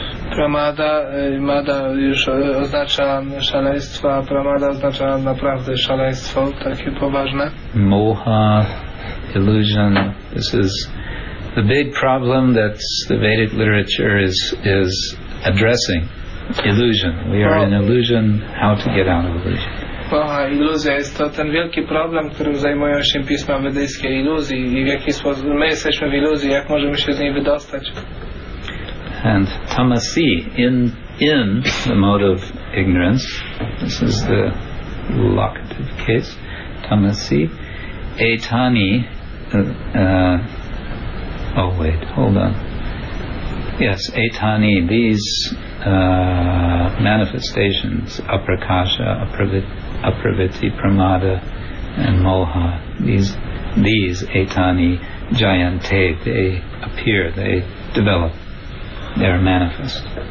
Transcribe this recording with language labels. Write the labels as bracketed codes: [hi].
[pl] Pramada, mada już oznacza szaleństwo, a pramada oznacza naprawdę szaleństwo, takie poważne. [en] Moha, illusion. This is the big problem that the Vedic literature is addressing. Illusion. We are in illusion. How to get out of illusion? [pl] Moha, iluzja, jest to ten wielki problem, którym zajmują się pisma wedyjskie, iluzji i w jaki sposób my jesteśmy w iluzji, jak możemy się z niej wydostać. [en] And tamasi, in the mode of ignorance, this is the locative case, tamasi, etani, oh wait, hold on. Yes, Etani, these manifestations, Aprakasha, Apraviti, Pramada, and Moha, these Etani, Jayante, they appear, they develop, they are manifest.